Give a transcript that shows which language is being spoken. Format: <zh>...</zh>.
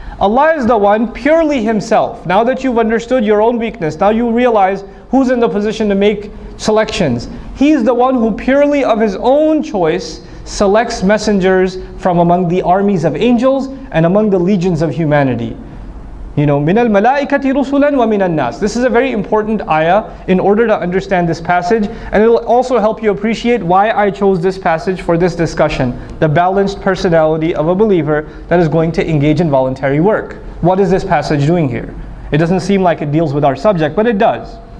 <en>Allah is the one purely Himself. Now that you've understood your own weakness, now you realize who's in the position to make selections. He's the one who purely of His own choice selects messengers from among the armies of angels and among the legions of humanity. You know,</en> <ar>مِنَ الْمَلَائِكَةِ رُسُلًا وَمِنَ النَّاسِ.</ar> <en>This is a very important ayah in order to understand this passage, and it will also help you appreciate why I chose this passage for this discussion. The balanced personality of a believer that is going to engage in voluntary work. What is this passage doing here? It doesn't seem like it deals with our subject, but it does.</en>